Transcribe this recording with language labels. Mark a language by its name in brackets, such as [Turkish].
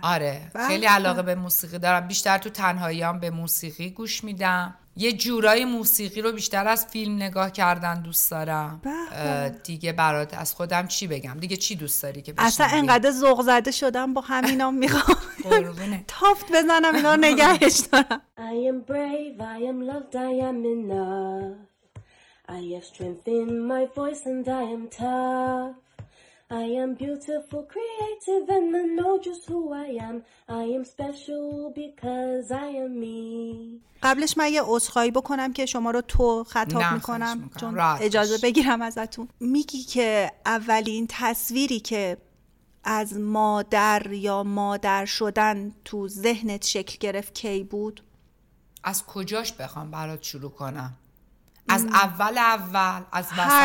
[Persian] آره، بحبه. خیلی علاقه به موسیقی دارم. بیشتر تو تنهاییام به موسیقی گوش میدم. یه جورایی موسیقی رو بیشتر از فیلم نگاه کردن دوست دارم. دیگه برات از خودم چی بگم دیگه، چی دوست داری که بشنوی؟ اصلا انقدر ذوق زده شدم با همینا، میخوام تافت بزنم اینا نگهش دارم. [English] I am brave, I am loved, I am enough. I have strength in my voice and I am tough. I am beautiful, creative and I know just who I am. I am special because I am me. [Persian] قبلش من یه عذرخواهی بکنم که شما رو تو خطاب میکنم چون راتش. اجازه بگیرم ازتون. میگی که اولین تصویری که از مادر یا مادر شدن تو ذهنت شکل گرفت کی بود؟ از کجاش بخوام برات شروع کنم؟ از اول اول، از وسط